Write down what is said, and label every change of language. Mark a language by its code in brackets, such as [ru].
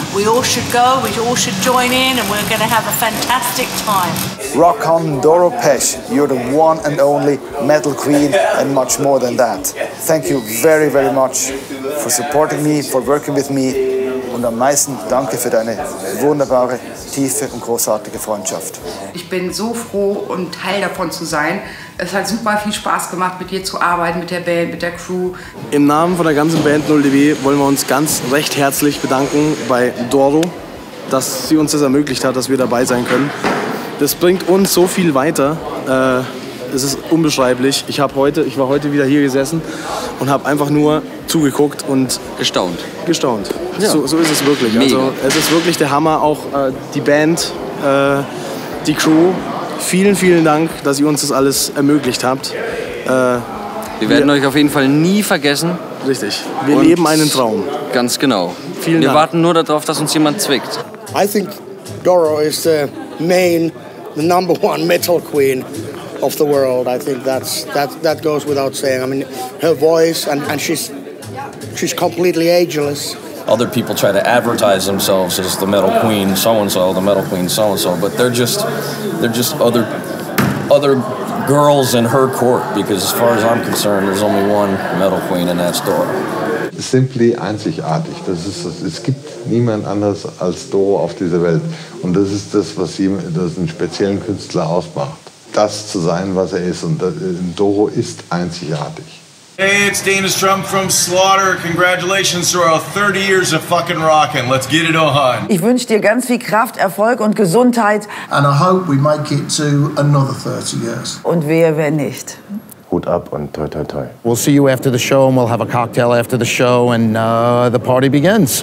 [en] We all should go, we all should join in, and we're going to have a fantastic time. Rock on, Doro Pesch. You're the one and only metal queen, and much more than that. Thank you very, very much for supporting me, for working with me. [de] und am meisten danke für deine wunderbare, tiefe und großartige Freundschaft. Ich bin so froh, ein Teil davon zu sein. Es hat super viel Spaß gemacht, mit dir zu arbeiten, mit der Band, mit der Crew. Im Namen von der ganzen Band 0DB wollen wir uns ganz recht herzlich bedanken bei Doro, dass sie uns das ermöglicht hat, dass wir dabei sein können. Das bringt uns so viel weiter. Es ist unbeschreiblich. Ich war heute wieder hier gesessen und habe einfach nur zugeguckt und gestaunt. Gestaunt. Ja. So ist es wirklich. Mega. Also es ist wirklich der Hammer. Auch die Band, die Crew. Vielen, vielen Dank, dass ihr uns das alles ermöglicht habt. Wir werden euch auf jeden Fall nie vergessen. Richtig. Wir und leben einen Traum. Ganz genau. Vielen wir Dank. Wir warten nur darauf, dass uns jemand zwickt. [en] I think Doro is the main, the number one metal queen of the world. I think that goes without saying. I mean, her voice and she's completely ageless. Other people try to advertise themselves as the metal queen so-and-so, the metal queen so-and-so, but they're just other girls in her court, because as far as I'm concerned, there's only one metal queen and that's Doro. [de] Simply einzigartig. Das ist das. Es gibt niemand anders als Doro auf dieser Welt. Und das ist das, was einen speziellen Künstler ausmacht. Das zu sein, was er ist. Und Doro ist einzigartig. [en] Hey, it's Dana Strump from Slaughter. Congratulations to our 30 years of fucking rocking. Let's get it on. [de] Ich wünsche dir ganz viel Kraft, Erfolg und Gesundheit. [en] And I hope we make it to another 30 years. [de] Und wehe, wenn nicht. Hut ab und toi toi toi. [en] We'll see you after the show and we'll have a cocktail after the show and the party begins.